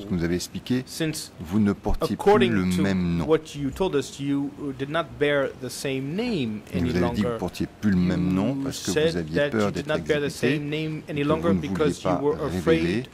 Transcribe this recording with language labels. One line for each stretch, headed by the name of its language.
French: ce que vous avez expliqué, vous ne portiez plus le même nom.
English: What you told us, you did not bear the same name any longer.
French: Vous avez dit que vous ne portiez plus le même nom parce que vous aviez peur d'être exécuté, que vous ne vouliez pas révéler